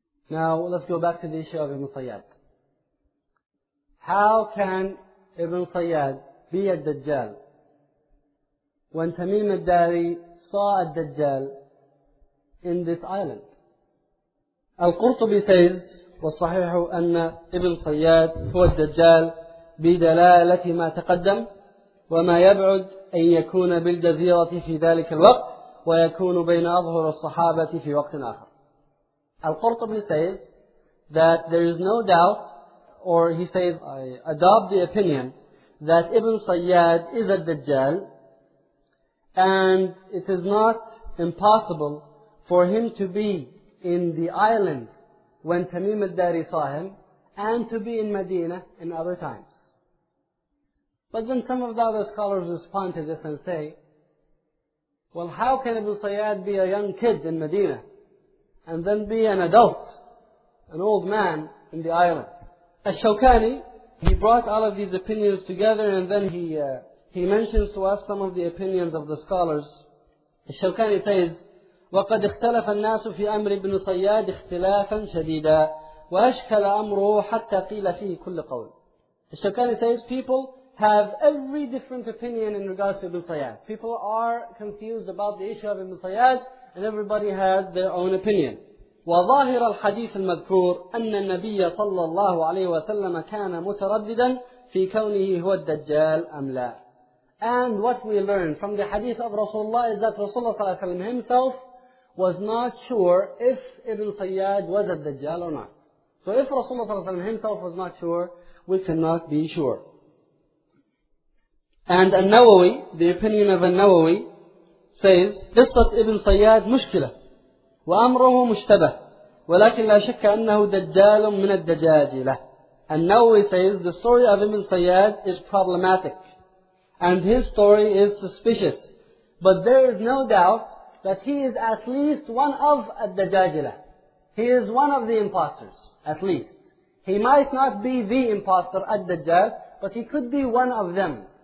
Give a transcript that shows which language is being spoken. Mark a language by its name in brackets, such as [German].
[English] Now, let's go back to the issue of Ibn Sayyad. How can Ibn Sayyad be a Dajjal when Tamim al-Dari saw a Dajjal in this island? Al-Qurtubi says, [Arabic] والصحيح أن ابن صياد هو الدجال بدلالة ما تقدم وما يبعد أن يكون بالجزيرة في ذلك الوقت ويكون بين أظهر الصحابة في وقت آخر. [English] Al-Qurtubi says that there is no doubt, or he says, I adopt the opinion that Ibn Sayyad is a Dajjal, and it is not impossible for him to be in the island when Tamim al-Dari saw him, and to be in Medina in other times. But then some of the other scholars respond to this and say, well, how can Ibn Sayyad be a young kid in Medina and then be an adult, an old man in the island? Al-Shawkani, he brought all of these opinions together, and then he mentions to us some of the opinions of the scholars. Al-Shawkani says, [Arabic] وَقَدْ اخْتَلَفَ النَّاسُ فِي أَمْرِ ابْنِ صَيَّادِ اخْتِلَافًا شَدِيدًا وَأَشْكَلَ أَمْرُهُ حَتَّى قِيلَ فِيهِ كُلِّ قَوْلٍ. [English] Al-Shawkani says, people have every different opinion in regards to Ibn Sayyad. People are confused about the issue of Ibn Sayyad, and everybody has their own opinion. [Arabic] وظاهر الحديث المذكور أن النبي صلى الله عليه وسلم كان مترددا في كونه هو الدجال أم لا. [English] And what we learn from the hadith of Rasulullah is that Rasulullah صلى الله عليه وسلم himself was not sure if Ibn Sayyad was a Dajjal or not. So if Rasulullah صلى الله عليه وسلم himself was not sure, we cannot be sure. And An-Nawawi, the opinion of An-Nawawi, says, [Arabic] قصة ابن صياد مشكلة وأمره مشتبه ولكن لا شك أنه دجال من الدجاجلة. [English] An-Nawawi says, the story of Ibn Sayyad is problematic and his story is suspicious, but there is no doubt that he is at least one of Ad-Dajajilah. He is one of the imposters, at least. He might not be the imposter, Ad-Dajjal, but he could be one of them.